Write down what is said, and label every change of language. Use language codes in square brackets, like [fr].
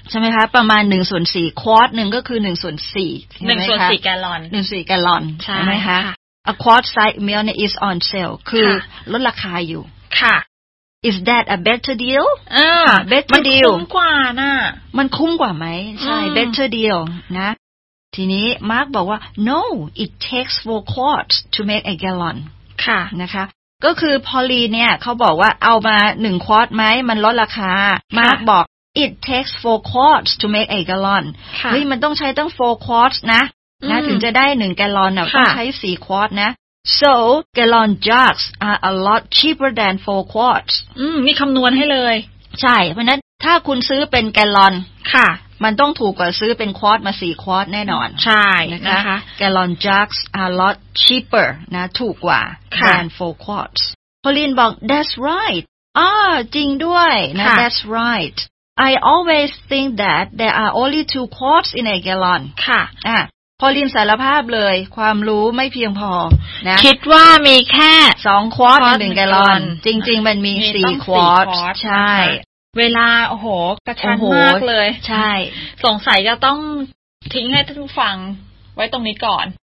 [th] ใช่มั้ยคะประมาณ1ส่วน4 quart 1ก็คือ1ส่วน4ใช่มั้ยคะ 1ส่วน4แกลลอน 1ส่วน4แกลลอน ใช่มั้ยคะ [en] a quart size milk is on sale [th] คือลดราคาอยู่ค่ะ [en] Is that a better deal? Better deal. [th] มันคุ้มกว่านะ มันคุ้มกว่าไหมใช่ better deal นะทีนี้มาร์คบอกว่า [en] No, it takes 4 quarts to make a gallon. [th] ค่ะ นะคะก็คือพอลลีเนี่ยเขาบอกว่าเอามา1 quart ไหมมันลดราคามาร์คบอก [en] It takes 4 quarts to make a gallon. [th] ค่ะ เฮ้ยมันต้องใช้ตั้ง 4 quarts นะนะถึงจะได้1 gallon นะต้องใช้4 quart นะ [en] So, gallon jugs are a lot cheaper than 4 quarts. [th] มีคำนวณให้เลย ใช่เพราะนั้นถ้าคุณซื้อเป็นแกลลอน ค่ะ มันต้องถูกกว่าซื้อเป็นควอตมา4ควอตแน่นอน ใช่นะคะ [en] แกลลอน jugs are a lot cheaper [th] นะถูกกว่า [en] than 4 quarts. Pauline [th] บอก [en] That's right. [th] จริงด้วยนะ [en] That's right. I always think that there are only 2 quarts in a gallon. [th] ค่ะ พอลินสารภาพเลยความรู้ไม่เพียงพอนะ คิดว่ามีแค่2ควอตต่อ1แกลลอนจริงๆมันมี4ควอตใช่ เวลาโอ้โหกระชั้นมากเลย ใช่ สงสัยก็ต้องทิ้งให้ท่านผู้ฟังไว้ตรงนี้ก่อน